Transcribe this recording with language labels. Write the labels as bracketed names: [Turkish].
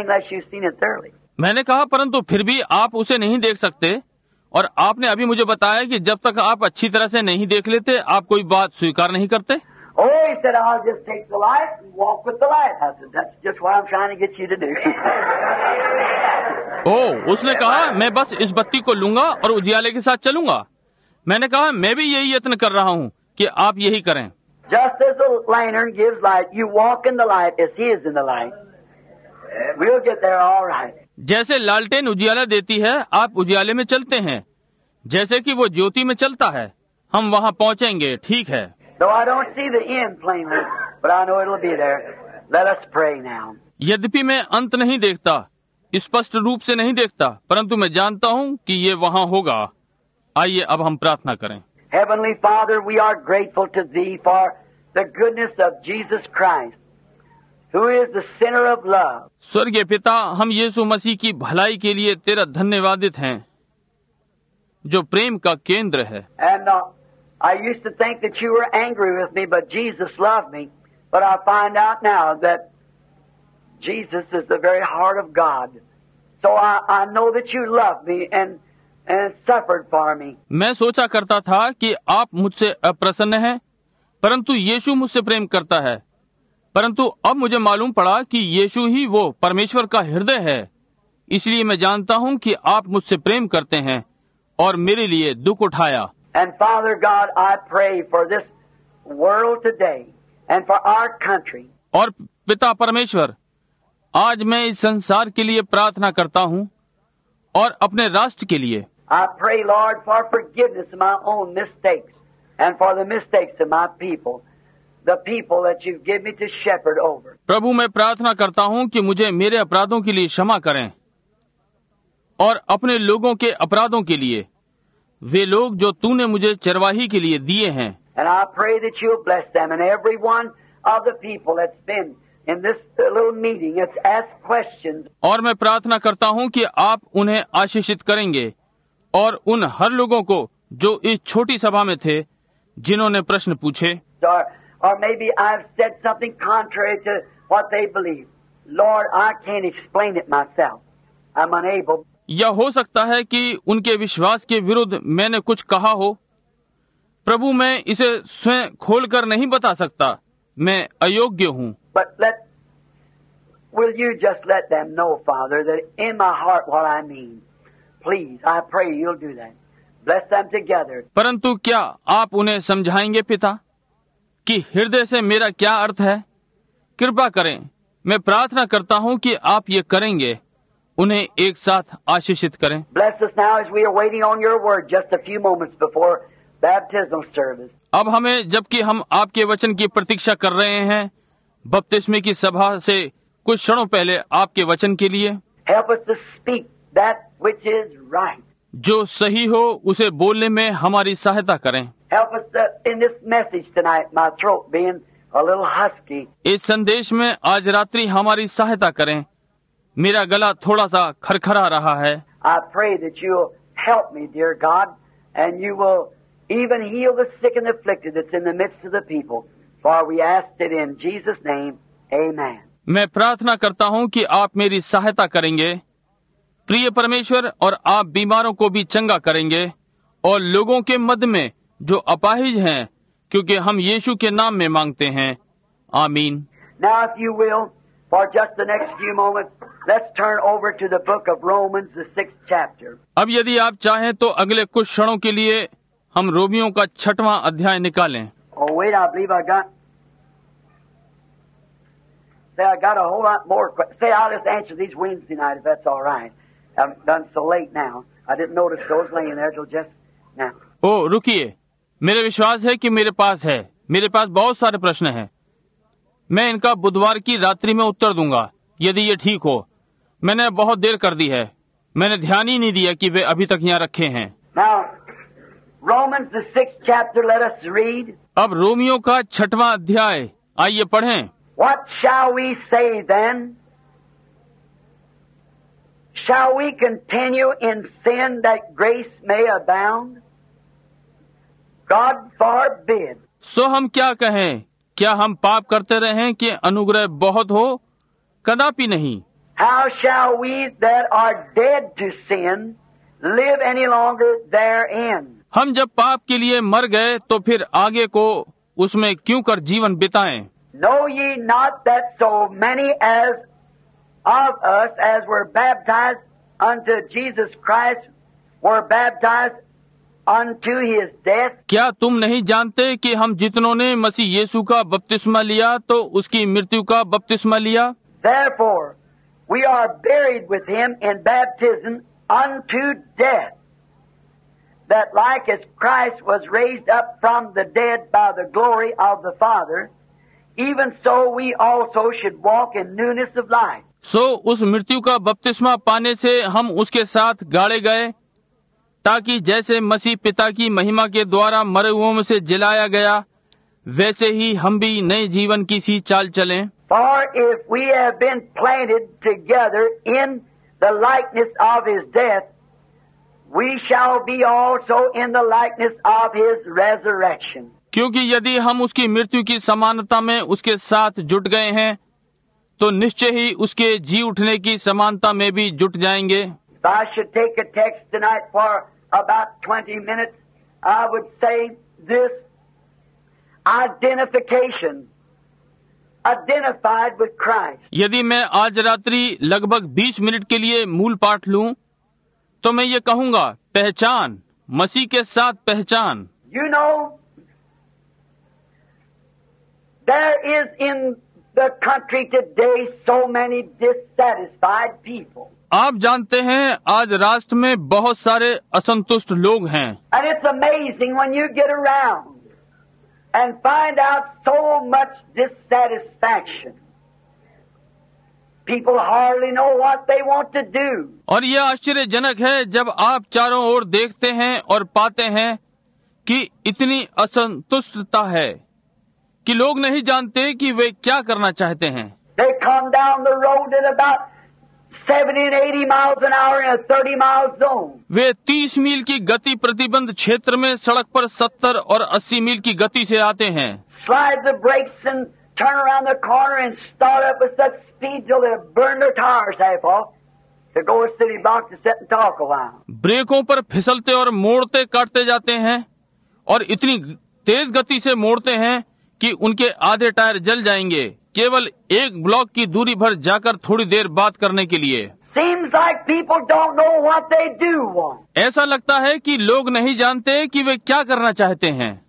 [Hindi] मैंने कहा, परंतु फिर भी आप उसे नहीं देख सकते और आपने अभी मुझे बताया कि जब तक आप अच्छी तरह से नहीं देख लेते आप कोई बात स्वीकार नहीं करते। उसने कहा, मैं बस इस बत्ती को लूंगा और उजियाले के साथ चलूंगा। मैंने कहा, मैं भी यही यत्न कर रहा हूँ कि आप यही करें। [English] Just as the lantern gives light, you walk in the light as he is in the light. We'll get there all right. [Hindi] जैसे लालटेन उजियाला देती है, आप उजियाले में चलते हैं। जैसे कि वो ज्योति में चलता है, हम वहाँ पहुँचेंगे, ठीक है। [English] Though I don't see the end plainly, but I know it'll be there. Let us pray now. [Hindi] यद्यपि मैं अंत नहीं देखता, स्पष्ट रूप से नहीं देखता, परंतु मैं जानता हूँ कि ये वहाँ होगा। आइए अब हम प्रार्थना करें। [English] Heavenly Father, we are grateful to Thee for the goodness of Jesus Christ, who is the center of love. [Hindi] स्वर्गीय पिता, हम यीशु मसीह की भलाई के लिए तेरा धन्यवादित हैं, जो प्रेम का केंद्र है। [English] And I used to think that you were angry with me, but Jesus loved me. But I find out now that Jesus is the very heart of God. So I know that you love me and suffered for me. [Hindi] मैं सोचा करता था कि आप मुझसे अप्रसन्न हैं, परंतु यीशु मुझसे प्रेम करता है। परंतु अब मुझे मालूम पड़ा कि यीशु ही वो परमेश्वर का हृदय है, इसलिए मैं जानता हूँ कि आप मुझसे प्रेम करते हैं और मेरे लिए दुख उठाया। [English] And Father God, I pray for this world today and for our country. [Hindi] और पिता परमेश्वर, आज मैं इस संसार के लिए प्रार्थना करता हूँ और अपने राष्ट्र के लिए। [English] I pray, Lord, for forgiveness of my own mistakes and for the mistakes of my people, the people that you've given me to shepherd over. [Hindi] प्रभु, मैं प्रार्थना करता हूँ कि मुझे मेरे अपराधों के लिए क्षमा करें और अपने लोगों के अपराधों के लिए, वे लोग जो तूने मुझे चरवाही के लिए दिए हैं। [English] And I pray that you'll bless them and every one of the people that's been in this little meeting, it's asked questions. [Hindi] और मैं प्रार्थना करता हूँ कि आप उन्हें आशीषित करेंगे और उन हर लोगों को जो इस छोटी सभा में थे जिन्होंने प्रश्न पूछे। [English] Or maybe I've said something contrary to what they believe. Lord, I can't explain it myself. I'm unable. [Hindi] या हो सकता है कि उनके विश्वास के विरुद्ध मैंने कुछ कहा हो। प्रभु, मैं इसे स्वयं खोलकर नहीं बता सकता, मैं अयोग्य हूँ। [English] But let, will you just let them know, Father, that in my heart what I mean? Please, I pray you'll do that. Bless them together. [Hindi] परंतु क्या आप उन्हें समझाएंगे पिता कि हृदय से मेरा क्या अर्थ है? कृपा करें, मैं प्रार्थना करता हूँ कि आप ये करेंगे, उन्हें एक साथ आशीषित करें। [English] Bless us now as we are waiting on your word just a few moments before baptismal service. [Hindi] अब हमें जबकि हम आपके वचन की प्रतीक्षा कर रहे हैं बपतिस्मे की सभा से कुछ क्षणों पहले आपके वचन के लिए [English] Help us to speak that which is right. [Hindi] जो सही हो उसे बोलने में हमारी सहायता करें [English] Help us in this message tonight, my throat being a little husky. [Hindi] इस संदेश में आज रात्रि हमारी सहायता करें मेरा गला थोड़ा सा खरखरा रहा है [English] I pray that you'll help me, dear God, and you will even heal the sick and afflicted that's in the midst of the people. For we ask it in Jesus' name. Amen. [Hindi] मैं प्रार्थना करता हूँ कि आप मेरी सहायता करेंगे प्रिय परमेश्वर और आप बीमारों को भी चंगा करेंगे और लोगों के मध्य में जो अपाहिज हैं क्योंकि हम यीशु के नाम में मांगते हैं आमीन [English] Now if you will, for just the next few moments, let's turn over to the book of Romans, the sixth chapter. [Hindi] अब यदि आप चाहें तो अगले कुछ क्षणों के लिए हम रोमियों का छठवां अध्याय निकालें [English] Oh, wait, I believe I got... Say, I got a whole lot more questions. Say, I'll just answer these Wednesday night if that's all right. I'm done so late now. I didn't notice those laying there till just now. [Hindi] Oh, रुकिए. मेरे विश्वास है कि मेरे पास है. मेरे पास बहुत सारे प्रश्न हैं. मैं इनका बुधवार की रात्रि में उत्तर दूंगा यदि ये ठीक हो मैंने बहुत देर कर दी है मैंने ध्यान ही नहीं दिया कि वे अभी तक यहाँ रखे हैं [English] Now, Romans, the sixth chapter, let us read. [Hindi] अब रोमियों का छठवां अध्याय आइए पढ़ें [English] What shall we say then? Shall we continue in sin that grace may abound? God forbid. [Hindi] So हम क्या कहें क्या हम पाप करते रहें कि अनुग्रह बहुत हो कदापि नहीं [English] How shall we that are dead to sin live any longer therein? [Hindi] हम जब पाप के लिए मर गए तो फिर आगे को उसमें क्यों कर जीवन बिताएं [English] Know ye not that so many as of us as were baptized unto Jesus Christ were baptized Unto his death. [Hindi] क्या तुम नहीं जानते कि हम जितनों ने मसीह यीशु का बपतिस्मा लिया तो उसकी मृत्यु का बपतिस्मा लिया [English] Therefore, we are buried with him in baptism unto death, that like as Christ was raised up from the dead by the glory of the Father, even so we also should walk in newness of life. [Hindi] So, उस मृत्यु का बपतिस्मा पाने से हम उसके साथ गाड़े गए ताकि जैसे मसीह पिता की महिमा के द्वारा मरे हुओं में से जिलाया गया वैसे ही हम भी नए जीवन की सी चाल चलें [English] For if we have been planted together in the likeness of his death, we shall be also in the likeness of his resurrection. [Hindi] क्योंकि यदि हम उसकी मृत्यु की समानता में उसके साथ जुट गए हैं तो निश्चय ही उसके जी उठने की समानता में भी जुट जाएंगे [English] I should take a text tonight for about 20 minutes. I would say this identification, identified with Christ. [Hindi] यदि मैं आज रात्रि लगभग 20 मिनट के लिए मूल पाठ लूं, तो मैं ये कहूंगा पहचान मसीह के साथ पहचान [English] You know, there is in the country today so many dissatisfied people. [Hindi] आप जानते हैं आज राष्ट्र में बहुत सारे असंतुष्ट लोग हैं [English] And it's amazing when you get around and find out so much dissatisfaction. People hardly know what they want to do. [Hindi] और यह आश्चर्यजनक है जब आप चारों ओर देखते हैं और पाते हैं कि इतनी असंतुष्टता है कि लोग नहीं जानते कि वे क्या करना चाहते हैं [English] They come down the road in about 70 and 80 miles an hour in a 30 mile zone. [Hindi] वे 30 मील की गति प्रतिबंध क्षेत्र में सड़क पर 70 और 80 मील की गति से आते हैं. [English] Slide the brakes and turn around the corner and start up with such speed till they burn their tires half off. To go to city block to sit and talk a while. [Hindi] ब्रेकों पर फिसलते और मोड़ते काटते जाते हैं और इतनी तेज गति से मोड़ते हैं कि उनके आधे टायर जल जाएंगे. केवल एक ब्लॉक की दूरी भर जाकर थोड़ी देर बात करने के लिए [English] Seems like people don't know what they do want. [Hindi] ऐसा लगता है कि लोग नहीं जानते कि वे क्या करना चाहते हैं